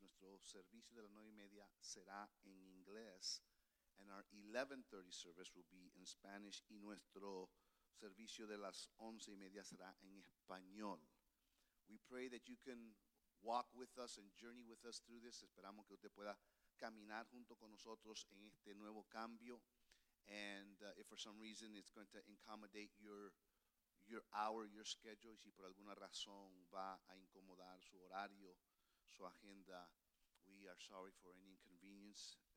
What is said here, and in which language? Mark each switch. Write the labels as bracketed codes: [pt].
[es] Nuestro servicio de las 9 y media será en inglés. [en] And our 11:30 service will be in Spanish. [es] Y nuestro servicio de las 11 y media será en español. [en] We pray that you can walk with us and journey with us through this. [es] Esperamos que usted pueda caminar junto con nosotros en este nuevo cambio. [en] And if for some reason it's going to accommodate your hour, your schedule, [es] y si por alguna razón va a incomodar su horario, su agenda, [en] we are sorry for any inconvenience.